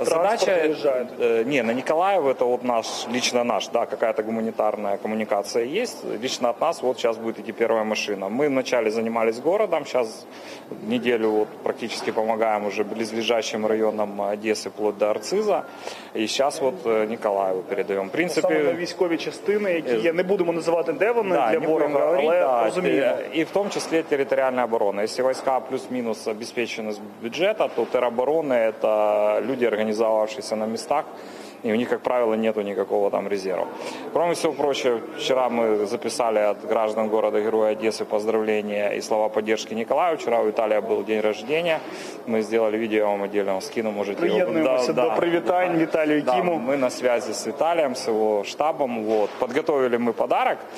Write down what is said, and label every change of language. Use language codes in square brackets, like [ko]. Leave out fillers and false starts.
[ru] задача лежит? Не, на Николаев, это вот наш, лично наш, да, какая-то гуманитарная коммуникация есть. Лично от нас вот сейчас будет идти первая машина. Мы вначале занимались городом, сейчас неделю вот практически помогаем уже близлежащим районам Одеси, вплоть до Арциза. [uk] І зараз от Николаєву передаємо. В принципі, саме військові частини, які є, не будемо називати, де вони, да, для ворога, говорити, але да, розуміємо. І в тому числі територіальна оборона. Якщо війська плюс-мінус забезпечені з бюджету, то тероборони – це люди, організувавшися на містах, [ru] и у них, как правило, нету никакого там резерва. Кроме всего прочего, вчера мы записали от граждан города-героя Одессы поздравления и слова поддержки Николаю. Вчера у Виталия был день рождения. Мы сделали видео, я вам отдельно скину, можете его... Приеднуемся, да, до привитания, да, Виталию, да, Киму. Мы на связи с Виталием, с его штабом. Вот. Подготовили мы подарок.